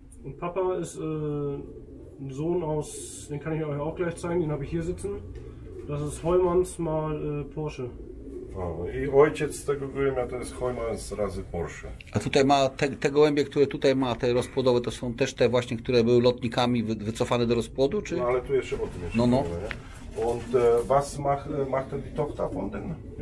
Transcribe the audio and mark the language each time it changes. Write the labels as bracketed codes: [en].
[de] Und Papa ist ein Sohn aus, den kann ich euch auch gleich zeigen, den habe ich hier sitzen. Das ist Heumanns mal Porsche. [pl] I ojciec tego gołębia to jest Heumanns razy Porsche. A tutaj ma te gołębie, które tutaj ma, te rozpłodowe, to są też te właśnie, które były lotnikami wycofane do rozpłodu? Czy? No ale tu jeszcze o tym jeszcze no. [de] Und was macht die Tochter von denen?